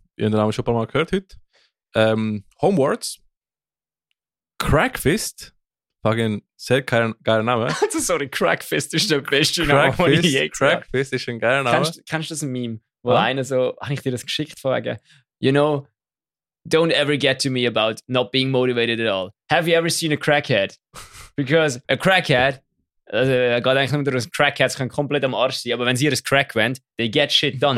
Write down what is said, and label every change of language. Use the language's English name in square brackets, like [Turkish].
[German] Ihr habt den Namen schon ein paar Mal gehört heute. Homewards. Crackfist. Fucking sehr geiler Name. Also sorry, Crackfist ist der beste Name, den ich je gesagt habe. Crackfist ist ein geiler Name. Kennst du das Meme, wo einer so, habe ich dir das geschickt, von wegen, [English] you know, don't ever get to me about not being motivated at all. Have you ever seen a crackhead? Because a crackhead, [German] also, geht eigentlich nur, dass Crackheads können komplett am Arsch sein, aber wenn sie ihres Crack wollen, [English] they get shit done.